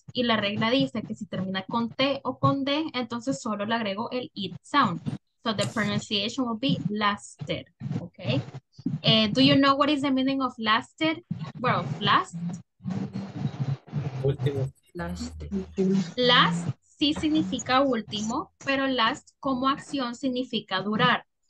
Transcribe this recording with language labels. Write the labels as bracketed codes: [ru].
[es] Y la regla dice que si termina con T o con D, entonces solo le agrego el ED sound. [en] So the pronunciation will be lasted, okay? Do you know what is the meaning of lasted? Well, last? [es] Último. Last sí significa último, pero last como acción significa durar.